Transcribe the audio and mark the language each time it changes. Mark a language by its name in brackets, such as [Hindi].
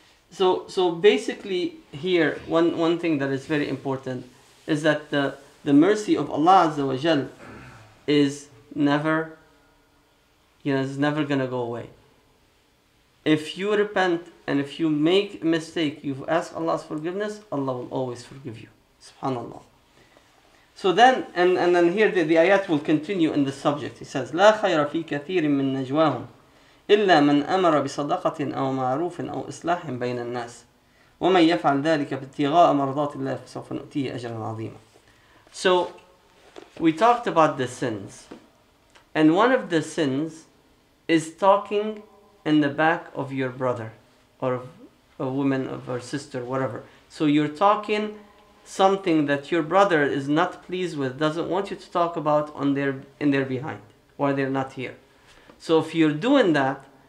[English] So basically here, one thing that is very important is that the mercy of Allah Azza wa Jal is never going to go away. If you repent and if you make a mistake, you ask Allah's forgiveness, Allah will always forgive you. SubhanAllah. So then, and then here the ayat will continue in the subject. He says, [Arabic] لا خير في كثير من نجواهم إلا من أمر بصدقة أو معروف أو إصلاح بين الناس ومن يفعل ذلك ابتغاء مرضات الله فسوف نؤتيه أجرا عظيما. [English] So we talked about the sins, and one of the sins is talking in the back of your brother or a woman of her sister, whatever. So you're talking something that your brother is not pleased with, doesn't want you to talk about in their behind while they're not here. So if you're doing that,